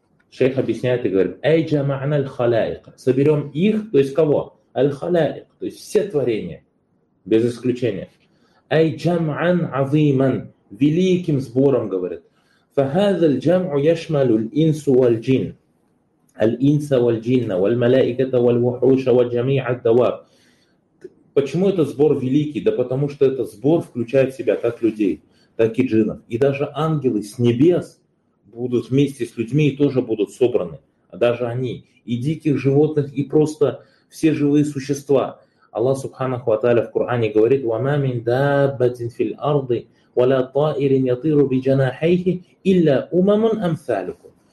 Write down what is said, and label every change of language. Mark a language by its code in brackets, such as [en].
[ru] Шейх объясняет и говорит, эй джама'на аль-халаик. Соберем их, то есть кого? Аль-халаик, то есть все творения, без исключения. Эй джам'ан азиман, великим сбором, говорит. Фахазаль джам'у яшмалю л-инсу вал-джин. [ar] الإنس والجن والملائكة والوحوش وجميع الدواب. [ru] Почему это сбор великий? Да потому что этот сбор включает в себя как людей, так и джиннов. И даже ангелы с небес будут вместе с людьми и тоже будут собраны. Даже они. И диких животных, и просто все живые существа. Аллах Субханаху ва Тааля в Коране говорит: «Вама мин даббатин филь арды, вала таирин ятыру би джанахейхи, илля умамун амсалюкум».